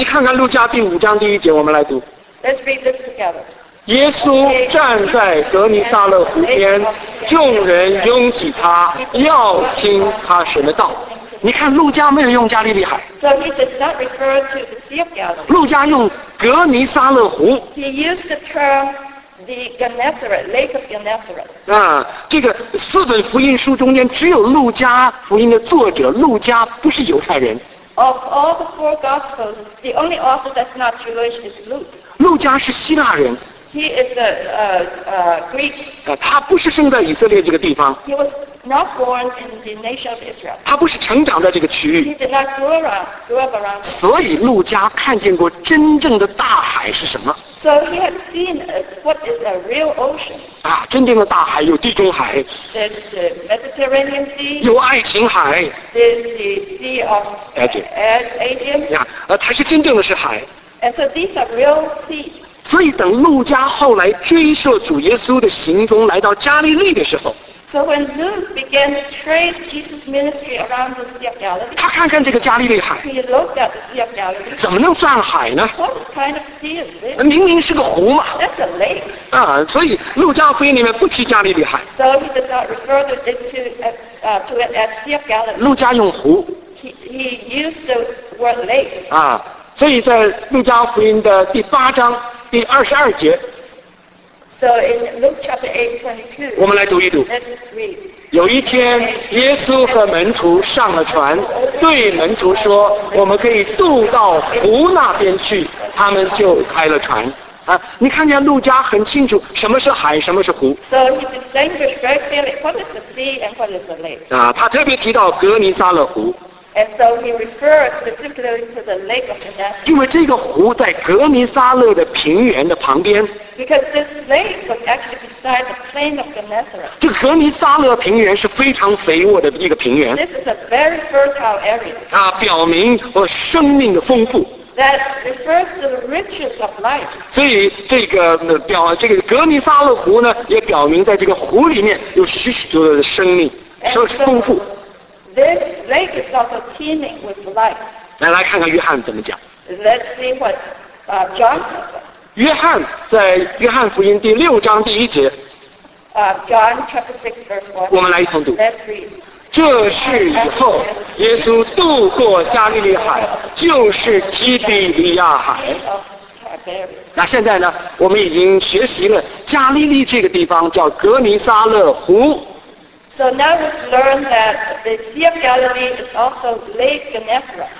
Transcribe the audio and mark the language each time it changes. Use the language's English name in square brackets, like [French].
[Chinese] 你看看路加第五章第一节，我们来读。 [English] Let's read this together. [Chinese] 耶稣站在格尼撒勒湖边，众人拥挤他，要听他什么道。你看路加没有用加利利海。 [English] So he does not refer to the Sea of Galilee. [Chinese] 路加用格尼撒勒湖。 [English] He used the term. The Gennesaret, Lake of Gennesaret. [Chinese] 这个四本福音书中间只有路加福音的作者路加不是犹太人。 [English] Of all the four Gospels, the only author that's not Jewish is Luke. [Chinese] 路加是希腊人。 [English] He is a Greek. [Chinese] 他不是生在以色列这个地方。 [English] He was not born in the nation of Israel. [Chinese] 他不是成长在这个区域。 [English] He did not grow up around. [Chinese] 所以路加看见过真正的大海是什么？ [English] So he had seen what is a real ocean. [Chinese] 真正的大海有地中海。 [English] There's the Mediterranean Sea. [Chinese] 有爱琴海。 [English] There's the Sea of Aegean. [Chinese] 它是真正的是海。 [English] And so these are real seas. [Chinese] 所以等路加后来追溯主耶稣的行踪来到加利利的时候。 [English] So when Luke began to trace Jesus' ministry around the Sea of Galilee. [Chinese] 他看看这个加利利海。 [English] He looked at the Sea of Galilee. [Chinese] 怎么能算海呢？ [English] What kind of sea is this? [Chinese] 明明是个湖嘛。 [English] That's a lake. [Chinese] 所以路加福音里面不提加利利海。 [English] So he does not refer to it to it as Sea of Galilee. [Chinese] 路加用湖。 [English] He used the word lake. [Chinese] 所以在路加福音的第八章第二十二节。 [English] So in Luke chapter 8:22, [Chinese] 我们来读一读。有一天，耶稣和门徒上了船，对门徒说：“我们可以渡到湖那边去。” 他们就开了船。你看见路加很清楚什么是海，什么是湖。 [English] So he distinguished very clearly what is the sea and what is the lake. [Chinese] 他特别提到格尼撒勒湖。 [English] And so he referred specifically to the Lake of Gennesaret. [Chinese] 因为这个湖在格尼撒勒的平原的旁边。 [English] Because this lake was actually beside the plain of Gennesaret. [Chinese] 这格尼撒勒平原是非常肥沃的一个平原。 [English] This is a very fertile area. [Chinese] 表明我生命的丰富。 [English] That refers to the riches of life. [Chinese] 所以这个这个格尼撒勒湖呢，也表明在这个湖里面有许许多多的生命，说是丰富。 [English] This lake is also teeming with life. [Chinese] 来看看约翰怎么讲。 [English] Let's see what John says. [Chinese] 约翰在约翰福音第六章第一节。 [English] John chapter 6 verse 1. [Chinese] 我们来一同读。 [English] Let's read. [Chinese] 这事以后，耶稣渡过加利利海，就是基比利亚海。那现在呢？我们已经学习了加利利这个地方叫格尼撒勒湖。 [English] So now we've learned that the Sea of Galilee is also Lake Gennesaret.